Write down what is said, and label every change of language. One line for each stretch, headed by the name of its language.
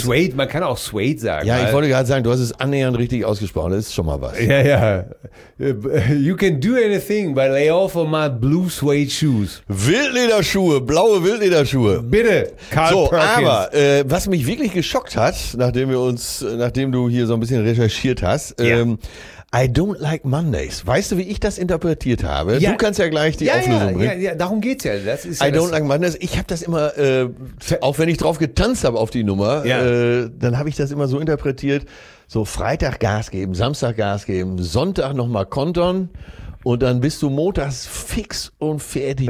German: Suede, man kann auch Suede sagen. Ja, ich wollte gerade sagen, du hast es annähernd richtig ausgesprochen. Das ist schon mal was. Ja, ja.
English: You can do anything, but lay off of my blue suede shoes.
German: Wildlederschuhe, blaue Wildlederschuhe. Bitte, Carl so, Perkins. Aber was mich wirklich geschockt hat, nachdem du hier so ein bisschen recherchiert hast, I don't like Mondays. Weißt du, wie ich das interpretiert habe? Ja. Du kannst ja gleich die Auflösung bringen. Ja, darum geht's ja. Das ist
English: Don't like Mondays.
German: Ich habe das immer, auch wenn ich drauf getanzt habe auf die Nummer, dann habe ich das immer so interpretiert, so Freitag Gas geben, Samstag Gas geben, Sonntag nochmal kontern und dann bist du montags fix und fertig.